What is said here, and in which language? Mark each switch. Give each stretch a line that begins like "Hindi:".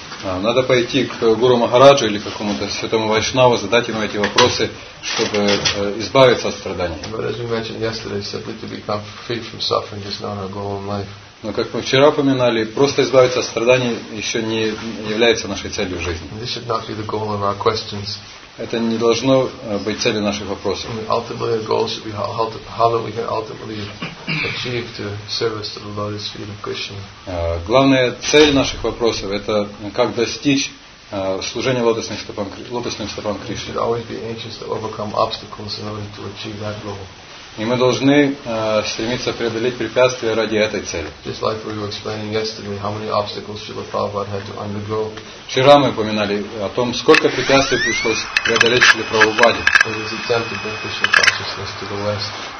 Russian: Надо пойти к Гуру Махараджу или какому-то святому Вайшнаву, задать ему эти вопросы, чтобы избавиться от страданий.
English: But as we mentioned yesterday, simply to become free from suffering is not our goal in life.
Russian: Но как мы вчера упоминали, просто избавиться от страданий еще не является нашей целью в жизни.
English: This should not be the goal of our questions.
Russian: Это не должно быть целью наших вопросов.
English: Ultimately, the goal should be how that we can ultimately achieve to service to the lotus feet of Krishna.
Russian: Главная цель наших вопросов – это как достичь служения лотосным стопам Кришны.
English: We should always be anxious to overcome obstacles in order to achieve that goal.
Russian: И мы должны стремиться преодолеть препятствия ради этой цели.
English: Just like we were explaining yesterday, how many obstacles Srila Prabhupada had to undergo.
Russian: Вчера мы упоминали о том, сколько препятствий пришлось преодолеть Шриле Прабхупаде.
English: In his attempt to bring Krishna consciousness to the West.